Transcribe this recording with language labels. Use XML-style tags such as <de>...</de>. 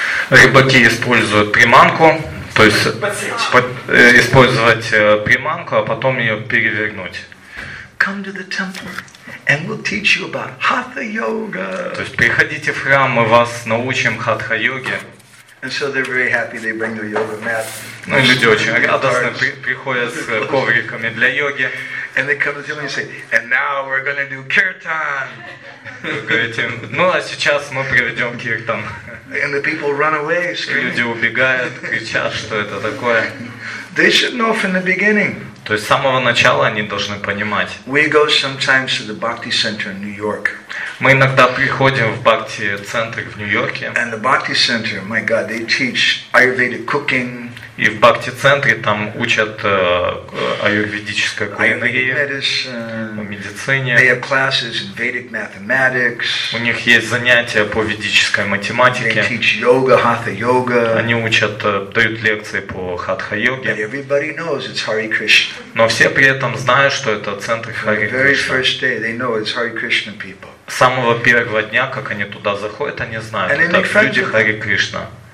<ru>Рыбаки используют приманку, то есть использовать приманку, а потом ее перевернуть.</ru> <en>Come to the temple and we'll teach you about hatha yoga.</en> <ru>То есть приходите в храм, мы вас научим хатха йоге.</ru> <en>And so they're very happy. They bring their yoga mat.</en> <ru>Ну люди очень радостно приходят с ковриками для йоги.</ru> <en>And they come to me and say, "And now we're going to do kirtan."</en> <ru>Ну а сейчас мы проведем киртан.</ru> <en>And the people run away, screaming.</en> <ru>Люди убегают, кричат, что это такое.</ru> <en>They should know from the beginning.</en> <ru>То есть с самого начала они должны понимать.</ru> <en>We go sometimes to the Bhakti Center in New York.</en> <ru>Мы иногда приходим в Бхакти Центр в Нью-Йорке.</ru> <en>And the Bhakti Center, my God, they teach Ayurvedic cooking.</en> <ru>И в Бхакти Центре там учат аюрведической кулинарии, медицине.</ru> <en>They have classes in Vedic mathematics.</en> <ru>У них есть занятия по ведической математике.</ru> <en>They teach yoga, hatha yoga.</en> <ru>Они учат, дают лекции по хатха йоге.</ru> <en>But everybody knows it's Hare Krishna.</en> <ru>Но все при этом знают, что это центр Хари Кришна.</ru> <en>The very first day, they know it's Hare Krishna people.</en> <ru>С самого первого дня, как они туда заходят, они знают, это люди Хари Кришна.</ru>